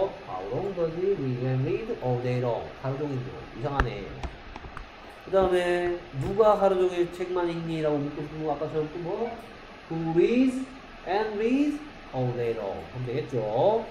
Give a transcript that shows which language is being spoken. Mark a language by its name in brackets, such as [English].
[English] How long does he read and read all day long? [Korean] 하루 종일 이상하네. 그 다음에 누가 하루 종일 책만 읽니? 라고 묻고 싶은 거 아까처럼 또 뭐? [English] Who reads and reads all day long [Korean] 하면 되겠죠?